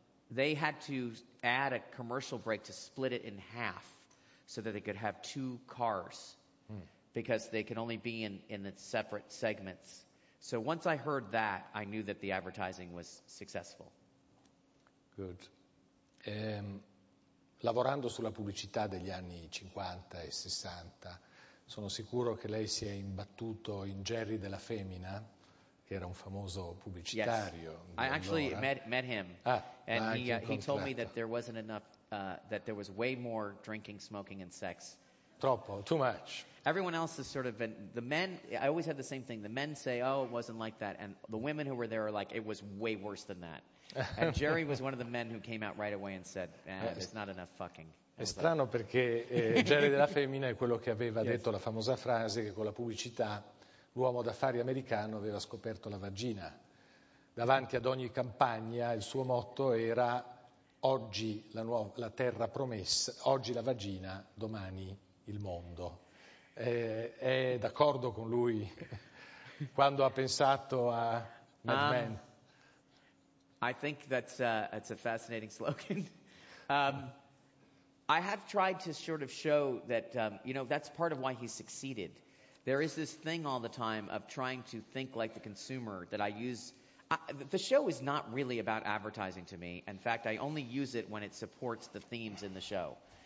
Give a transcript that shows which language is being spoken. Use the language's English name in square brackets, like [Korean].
[English] They had to add a commercial break to split it in half so that they could have two cars because they can only be in the separate segments. So once I heard that, I knew that the advertising was successful. Good. [Italian] Lavorando sulla pubblicità degli anni 50 e 60, sono sicuro che lei si è imbattuto in Jerry della Femina, che era un famoso pubblicitario. [English] Yes. I actually met him. He told me that there wasn't enough, that there was way more drinking, smoking and sex. [Italian] Troppo, [English] too much. Everyone else has sort of been, the men, I always had the same thing. The men say, "Oh, it wasn't like that." And the women who were there are like, "It was way worse than that." And Jerry was one of the men who came out right away and said, "It's not enough fucking." [Italian] È strano perché Jerry della Femina è quello che aveva detto la famosa frase che con la pubblicità l'uomo d'affari americano aveva scoperto la vagina. Davanti ad ogni campagna il suo motto era oggi la terra promessa, oggi la vagina, domani il mondo. È d'accordo con lui quando ha pensato a Mad Men? [English] I think that's a fascinating slogan. I have tried to sort of show that, you know, that's part of why he succeeded. There is this thing all the time of trying to think like the consumer that I use. The show is not really about advertising to me. In fact, I only use it when it supports the themes in the show.